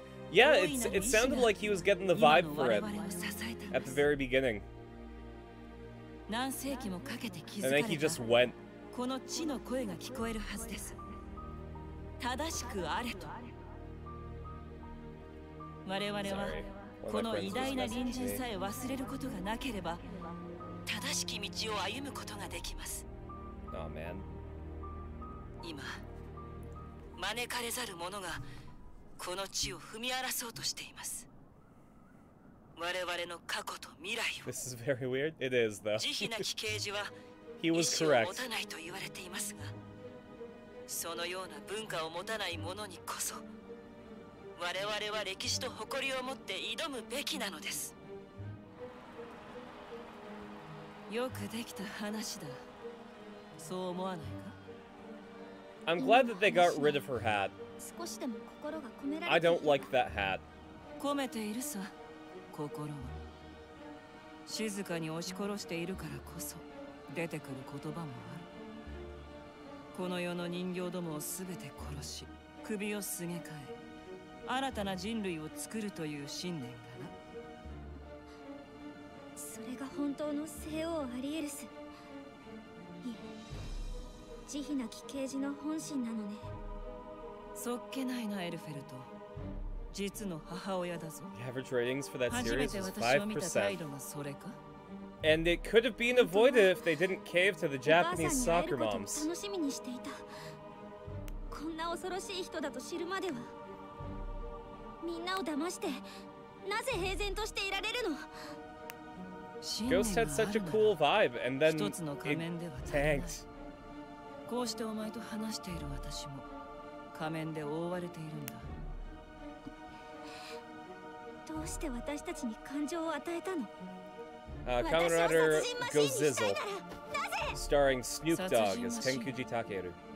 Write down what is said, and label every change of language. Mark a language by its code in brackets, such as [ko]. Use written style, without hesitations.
[en] Yeah, it sounded like he was getting the vibe for it at the very beginning. And then he just went. [ja] この地の声が聞こえるはずです。正しくあれと。我々はこの偉大な隣人さえ忘れることがなければ、正しき道を歩むことができます。 [en] Amen. [ja] 今、招かれざる者がこの地を踏み荒らそうとしています。我々の過去と未来を。 [en] This is very weird. It is, though. [ja] 慈悲なき啓示は。 [en] He was correct. [ja] 意思を持たないと言われていますが、そのような文化を持たない者にこそ、我々は歴史と誇りを持って挑むべきなのです。よくできた話だ。そう思わないか? [en] I'm glad that they got rid of her hat. [ja] 少しでも心が込められている。 [en] I don't like that hat. [ja] 込めているさ、心は。静かに押し殺しているからこそ。出てくる言葉もある。この世の人形どもをすべて殺し、首をすげ替え、新たな人類を作るという信念かな。それが本当の聖王アリエルス。いえ、慈悲なき啓示の本心なのね。そっけないな、エルフェルト。実の母親だぞ。 [en] The average ratings for that series was 5%. And it could have been avoided if they didn't cave to the Japanese soccer moms. [ja] 楽しみにしていた。こんな恐ろしい人だと知るまでは。みんなを騙して、なぜ平然としていられるの？ [en] Ghost had such a cool vibe, and then it tanked. [ja] こうしてお前と話している私も、仮面で覆われているんだ。どうして私たちに感情を与えたの？ [en] Kamen Rider Ghost Zizzle, starring Snoop Dogg as Tenkuji Takeru.